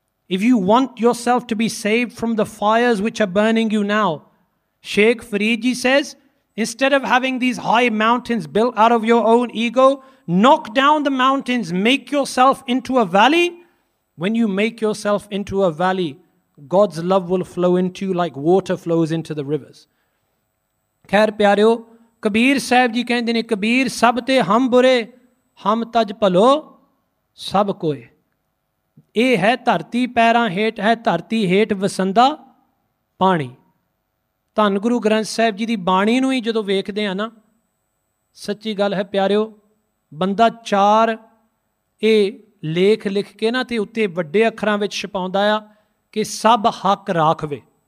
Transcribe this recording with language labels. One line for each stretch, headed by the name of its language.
English: If you want yourself to be save from the fires which are burning you now, Sheikh Farid ji says, instead of having these high mountains built out of your own ego, knock down the mountains, make yourself into a valley, when you make yourself into a valley God's love will flow into you like water flows into the rivers.
Punjabi: ਖੈਰ ਪਿਆਰਿਓ, ਕਬੀਰ ਸਾਹਿਬ ਜੀ ਕਹਿੰਦੇ ਨੇ, ਕਬੀਰ ਸਭ ਤੇ ਹਮ ਬੁਰੇ, ਹਮ ਤਜ ਭਲੋ ਸਭ ਕੋਏ। ਇਹ ਹੈ ਧਰਤੀ ਪੈਰਾਂ ਹੇਠ, ਹੈ ਧਰਤੀ ਹੇਠ ਵਸੰਦਾ ਪਾਣੀ। ਧੰਨ ਗੁਰੂ ਗ੍ਰੰਥ ਸਾਹਿਬ ਜੀ ਦੀ ਬਾਣੀ ਨੂੰ ਹੀ ਜਦੋਂ ਵੇਖਦੇ ਹਾਂ ਨਾ, ਸੱਚੀ ਗੱਲ ਹੈ ਪਿਆਰਿਓ, ਬੰਦਾ ਚਾਰ ਇਹ ਲੇਖ ਲਿਖ ਕੇ ਨਾ ਅਤੇ ਉੱਤੇ ਵੱਡੇ ਅੱਖਰਾਂ ਵਿੱਚ ਛਪਾਉਂਦਾ ਆ ਕਿ ਸਭ ਹੱਕ ਰਾਖਵੇ।